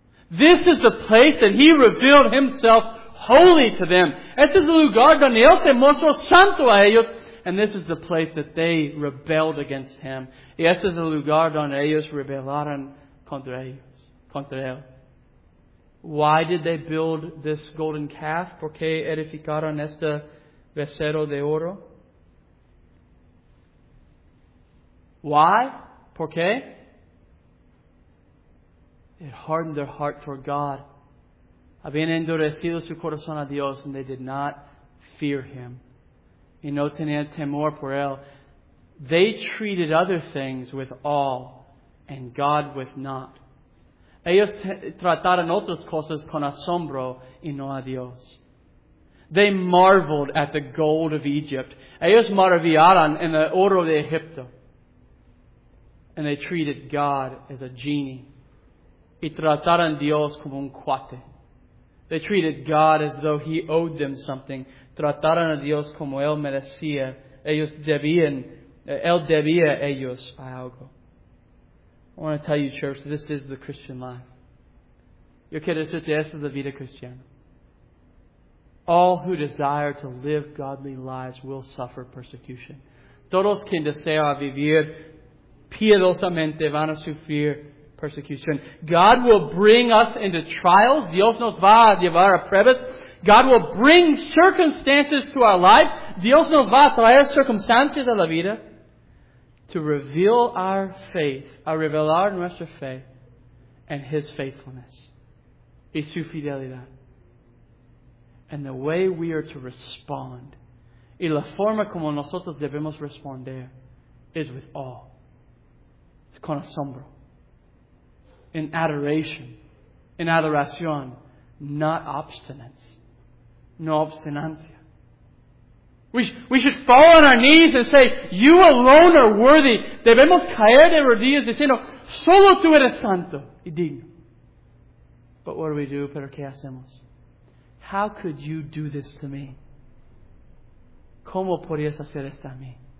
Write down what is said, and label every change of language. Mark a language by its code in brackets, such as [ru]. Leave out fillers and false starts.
[en] This is the place that He revealed Himself holy to them. [es] Este es el lugar donde Él se mostró santo a ellos. [en] And this is the place that they rebelled against Him. [es] Y este es el lugar donde ellos rebelaron contra ellos, contra Él. [en] Why did they build this golden calf? [es] ¿Por qué edificaron este becerro de oro? [en] Why? [es] ¿Por qué? [en] It hardened their heart toward God. [es] Habían endurecido su corazón a Dios, [en] and they did not fear Him. [es] Y no tenían temor por Él. [en] They treated other things with awe, and God with not. [es] Ellos trataron otras cosas con asombro y no a Dios. [en] They marveled at the gold of Egypt. [es] Ellos maravillaron en el oro de Egipto. [en] And they treated God as a genie. [es] Y trataron Dios como un cuate. [en] They treated God as though He owed them something. [es] Trataron a Dios como Él merecía. Ellos debían, Él debía ellos algo. [en] I want to tell you, church, this is the Christian life. [es] Yo quiero decirte, esta es la vida cristiana. [en] All who desire to live godly lives will suffer persecution. [es] Todos quien desea vivir piedosamente van a sufrir persecution. [en] God will bring us into trials. [es] Dios nos va a llevar a pruebas. [en] God will bring circumstances to our life. [es] Dios nos va a traer circunstancias a la vida. [en] To reveal our faith, [es] a revelar nuestra fe, [en] and His faithfulness. [es] Y su fidelidad. [en] And the way we are to respond, [es] y la forma como nosotros debemos responder, [en] is with awe. It's [es] con asombro. [en] In adoration, in adoración, not obstinance, [es] no obstinancia. [en] We should fall on our knees and say, You alone are worthy. [es] Debemos caer de rodillas diciendo, Solo tú eres santo y digno. [en] But what do we do? [es] Pero qué hacemos? [en] How could you do this to me? [es] ¿Cómo podrías hacer esto a mí?